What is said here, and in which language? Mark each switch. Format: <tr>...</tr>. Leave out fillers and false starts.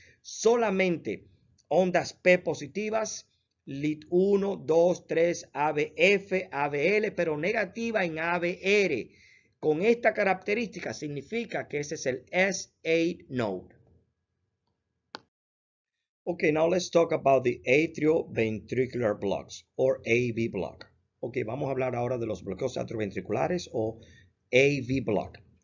<es>Solamente ondas P positivas, lead 1, 2, 3, ABF, ABL, pero negativa en ABR. Con esta característica significa que ese es el S8 node.</es> <en>Okay, now let's talk about the atrioventricular blocks, or AV block.</en> <es>Okay, vamos a hablar ahora de los bloqueos atrioventriculares, o AV block.</es>